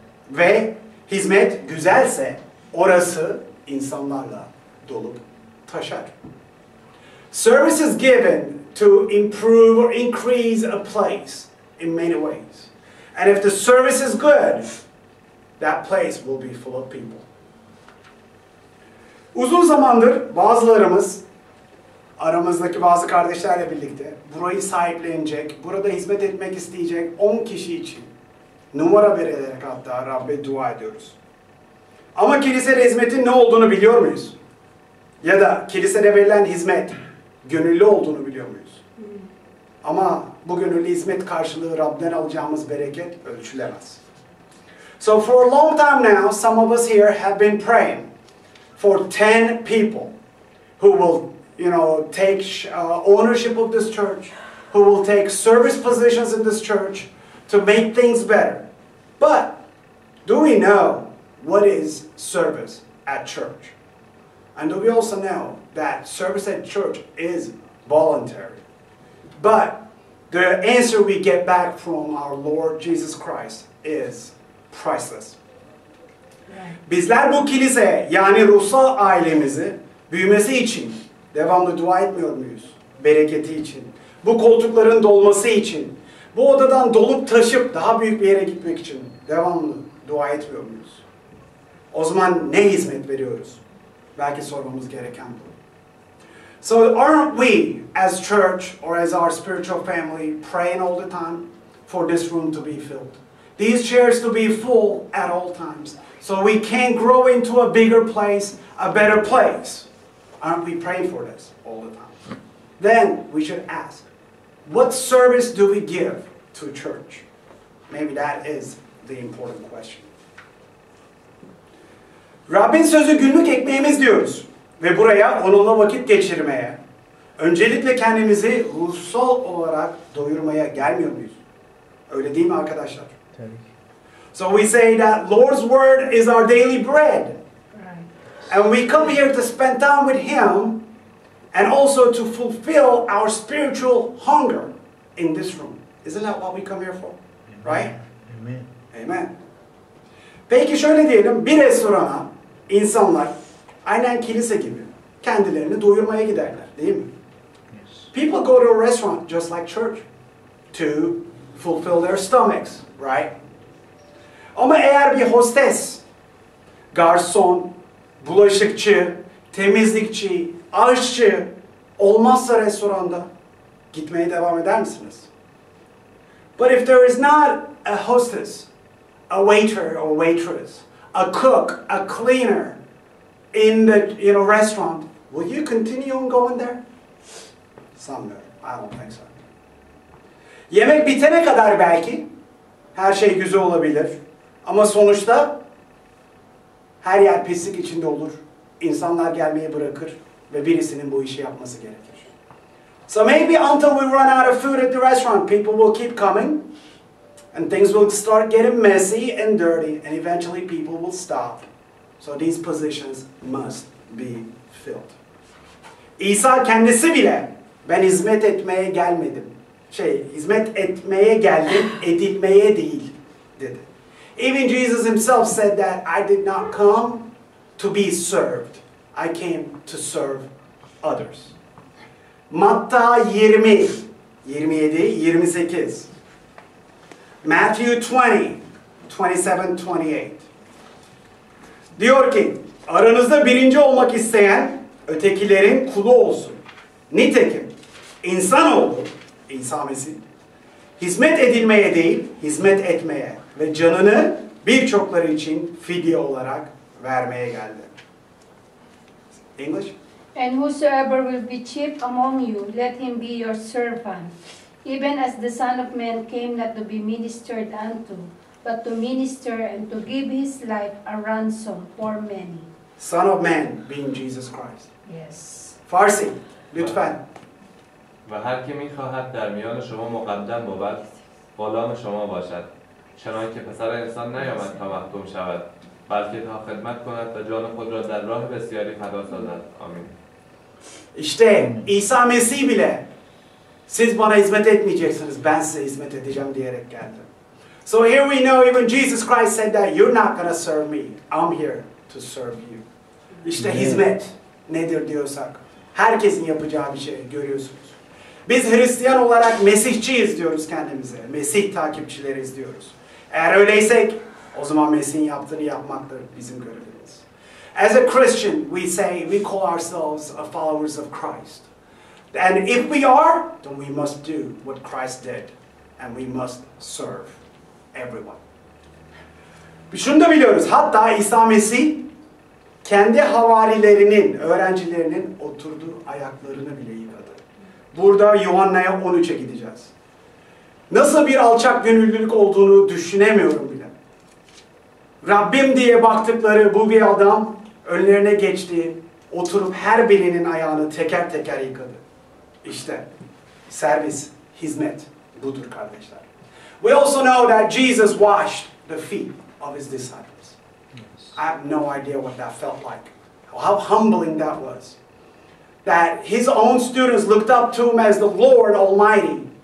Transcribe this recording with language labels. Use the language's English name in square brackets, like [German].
[Turkish] Ve hizmet güzelse orası insanlarla dolup taşar. [English] Service is given to improve or increase a place in many ways. And if the service is good, that place will be full of people. [Turkish] Uzun zamandır bazılarımız, aramızdaki bazı kardeşlerle birlikte burayı sahiplenecek, burada hizmet etmek isteyecek 10 kişi için numara vererek hatta Rabb'e dua ediyoruz. Ama kilisede hizmetin ne olduğunu biliyor muyuz? Ya da kilisede verilen hizmet gönüllü olduğunu biliyor muyuz? Ama bu gönüllü hizmet karşılığı Rab'den alacağımız bereket ölçülemez. [English] So for a long time now, some of us here have been praying for 10 people who will, you know, take ownership of this church, who will take service positions in this church to make things better. But do we know what is service at church? And do we also know that service at church is voluntary? But the answer we get back from our Lord Jesus Christ is priceless. [Turkish] Bizler bu kilise, yani ruhsal ailemizi büyümesi için devamlı dua etmiyor muyuz? Bereketi için, bu koltukların dolması için, bu odadan dolup taşıp daha büyük bir yere gitmek için devamlı dua etmiyor muyuz? O zaman ne hizmet veriyoruz? Belki sormamız gereken bu. [English] So aren't we, as church or as our spiritual family, praying all the time for this room to be filled? These chairs to be full at all times. So we can grow into a bigger place, a better place. Aren't we praying for this all the time? Then we should ask, what service do we give to church? Maybe that is the important question. [Turkish] Rabbin sözü günlük ekmeğimiz diyoruz. Ve buraya onunla vakit geçirmeye, öncelikle kendimizi ruhsal olarak doyurmaya gelmiyor muyuz? Öyle değil mi arkadaşlar? Tabii. [English] So we say that Lord's word is our daily bread. And we come here to spend time with Him and also to fulfill our spiritual hunger in this room. Isn't that what we come here for? Amen. Right? Amen. Amen. [Turkish] Peki şöyle diyelim, bir restorana insanlar aynen kilise gibi kendilerini doyurmaya giderler, değil mi? [English] Yes. People go to a restaurant just like church to fulfill their stomachs, right? [Turkish] Ama eğer bir hostes, garson, bulaşıkçı, temizlikçi, aşçı olmazsa restoranda gitmeye devam eder misiniz? [English] But if there is not a hostess, a waiter or waitress, a cook, a cleaner in the restaurant, will you continue on going there? [Turkish] Sanmıyorum. [English] I don't think so. [Turkish] Yemek bitene kadar belki her şey güzel olabilir. Ama sonuçta her yer pislik içinde olur. İnsanlar gelmeyi bırakır ve birisinin bu işi yapması gerekir. [English] So maybe until we run out of food at the restaurant, people will keep coming and things will start getting messy and dirty and eventually people will stop. So these positions must be filled. [Turkish] İsa kendisi bile ben hizmet etmeye gelmedim. Hizmet etmeye geldim, edilmeye değil dedi. [English] Even Jesus himself said that I did not come to be served. I came to serve others. Matta 20, 27, 28. Matthew 20, 27, 28. [Turkish] Diyor ki, aranızda birinci olmak isteyen ötekilerin kulu olsun. Nitekim, insanoğlu, İsa Mesih, hizmet edilmeye değil, hizmet etmeye ve canını birçokları için fidye olarak vermeye geldi. [English] English? And whosoever will be chief among you, let him be your servant. Even as the Son of Man came not to be ministered unto, but to minister and to give his life a ransom for many. Son of Man being Jesus Christ. Yes. [Turkish] Farsi, lütfen. Ve her kim [Persian] می‌خواهد در میان شما مقدم بود، غلام شما باشد. چنانکه پسر انسان نیامد تا محکوم شود، بلکه تا خدمت کند و جان خود را در راه بسیاری فدا سازد. آمین. [Turkish] İşte İsa Mesih bile siz bana hizmet etmeyeceksiniz, ben size hizmet edeceğim diyerek geldi. [English] So here we know even Jesus Christ said that you're not going to serve me. I'm here to serve you. [Turkish] İşte hizmet nedir diyorsak. herkesin yapacağı bir şey görüyorsunuz. Biz Hristiyan olarak Mesihçiyiz diyoruz kendimize. Mesih takipçileriz diyoruz. Eğer öyleysek o zaman Mesih'in yaptığını yapmaktır bizim görevimiz. [English] As a Christian, we say we call ourselves a followers of Christ. And if we are, then we must do what Christ did. And we must serve everyone. [Turkish] Şunu da biliyoruz. Hatta İsa Mesih kendi havarilerinin, öğrencilerinin oturduğu ayaklarını bile yıkadı. Burada Yuhanna'ya 13'e gideceğiz. Nasıl bir alçak gönüllülük olduğunu düşünemiyorum bile. Rabbim diye baktıkları bu bir adam önlerine geçti, oturup her birinin ayağını teker teker yıkadı. İşte servis, hizmet budur kardeşler. [English] We also know that Jesus washed the feet of his disciples. I have no idea what that felt like. How humbling that was. That his own students looked up to him as the Lord Almighty.